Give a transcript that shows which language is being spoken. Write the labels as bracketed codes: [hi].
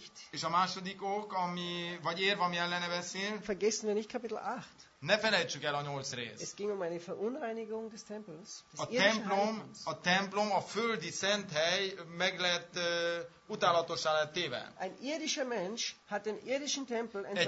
[hu] És a második ok, ami, vagy érv, ami ellene beszél, [de] vergessen wir nicht Kapitel 8. [hu] Ne felejtsük el a 8 rész. [de] Es ging um eine Verunreinigung des Tempels. [hu] A templom, a földi szent hely meg lett utálatossá lett téve. [de] Ein irdischer Mensch hat den irdischen Tempel entweiht.